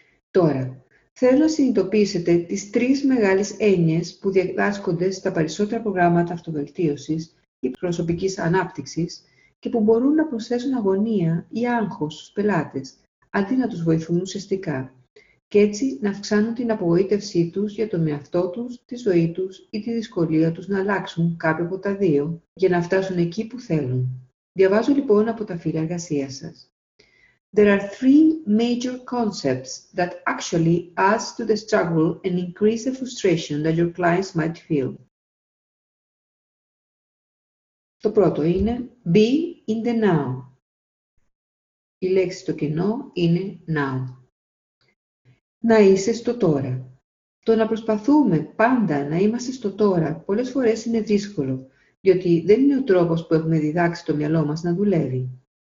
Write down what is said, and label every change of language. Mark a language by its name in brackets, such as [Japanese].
[Greek] Τώρα, θέλω να συνειδητοποιήσετε τις τρεις μεγάλες έννοιες που διδάσκονται στα περισσότερα προγράμματα αυτοβελτίωσης ή προσωπικής ανάπτυξης και που μπορούν να προσθέσουν αγωνία ή άγχος στους πελάτες, αντί να τους βοηθούν ουσιαστικά και έτσι να αυξάνουν την απογοήτευσή τους για τον εαυτό τους, τη ζωή τους ή τη δυσκολία τους να αλλάξουν κάποιο από τα δύο για να φτάσουν εκεί που θέλουν. Διαβάζω λοιπόν από τα φύλλα εργασίας σας. [English] There are three major concepts that actually add to the struggle and increase the frustration that your clients might feel. [Greek] Το πρώτο είναι [English] be in the now. [Greek] Η λέξη στο κενό είναι now. Να είσαι στο τώρα. Το να προσπαθούμε πάντα να είμαστε στο τώρα πολλές φορές είναι δύσκολο, διότι δεν είναι ο τρόπος που έχουμε διδάξει το μυαλό μας να δουλεύει.